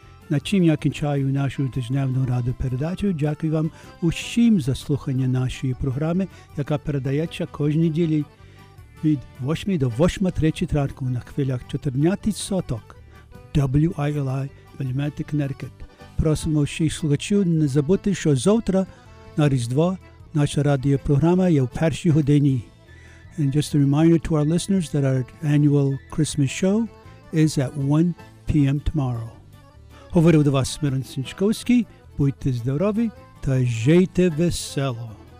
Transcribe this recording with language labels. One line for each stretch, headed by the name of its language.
Ukrainian: На чим я кінчаю нашу тижневну раду передачу, дякую вам усім за слухання нашої програми, яка передається кожні ділі від 8 до 8.30 ранку на хвилях 14 соток WILI Вельмети Кнеркет. Просимо усіх слухачів не забути, що завтра на Різдво наша радіопрограма є в першій годині.
English: And just a reminder to our listeners that our annual Christmas show is at 1 p.m. tomorrow.
Ukrainian: Говорив до вас Мирон Сінчковський. Будьте здорові та жийте весело.